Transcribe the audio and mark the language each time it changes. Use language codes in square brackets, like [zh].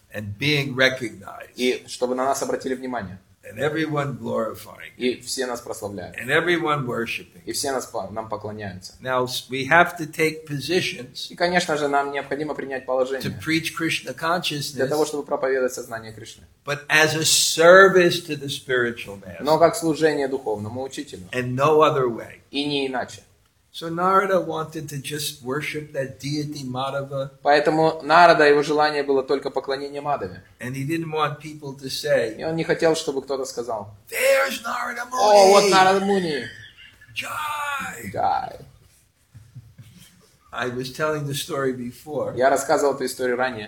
[en] And being recognized. [ru] И чтобы на нас обратили внимание. [en] And everyone glorifying. [ru] И все нас прославляют. [en] And everyone worshiping. [ru] И все нам поклоняются. [en] Now we have to take positions. [ru] И конечно же нам необходимо принять положение. [en] To preach Krishna consciousness. [ru] Для того чтобы проповедовать сознание Кришны. [en] But as a service to the spiritual master. [ru] Но как служение духовному учителю. [en] And no other way. [ru] И не иначе. [en] So Narada wanted to just worship that deity Madhava. [ru] Поэтому Нарада его желание было только поклонение Мадхаве. [en] And he didn't want people to say. [ru] И он не хотел, чтобы кто-то сказал. [en] There's Narada Muni. [ru] О, вот Нарада Муни. Jai. Jai. [en] I was telling the story before. [ru] Я рассказывал эту историю ранее.